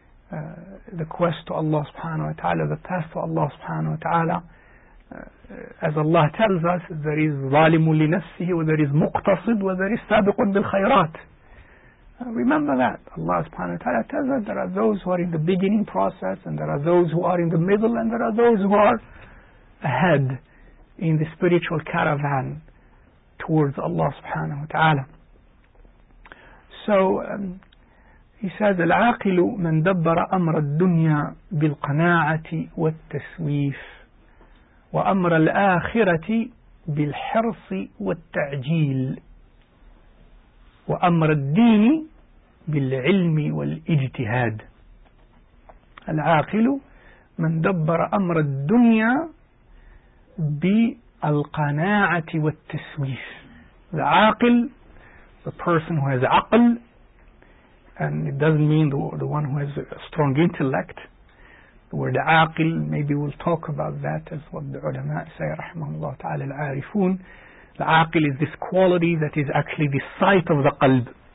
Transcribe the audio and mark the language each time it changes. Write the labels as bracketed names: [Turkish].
[English] The quest to Allah subhanahu wa ta'ala, the path to Allah subhanahu wa ta'ala, as Allah tells us, there is [Arabic] ظَالِمٌ لِنَفْسِهِ [English] وَذَرِ is مُقْتَصِدٌ وَذَرِ is [Arabic] سَابِقٌ بِالْخَيْرَاتِ. [English] Remember that. Allah subhanahu wa ta'ala tells us there are those who are in the beginning process, and there are those who are in the middle, and there are those who are ahead in the spiritual caravan towards Allah subhanahu wa ta'ala. So he says, [Arabic] العاقل من دبر أمر الدنيا بالقناعة والتسويف وأمر الآخرة بالحرص والتعجيل وأمر الدين بالعلم والاجتهاد. العاقل من دبر أمر الدنيا بالقناعة والتسويف. [English] العاقل, the person who has عقل, and it doesn't mean the one who has a strong intellect. The word عاقل, maybe we'll talk about that as what the ulama say, [Arabic] رحمه الله تعالى العارفون. [English] العاقل is this quality that is actually the sight of the قلب.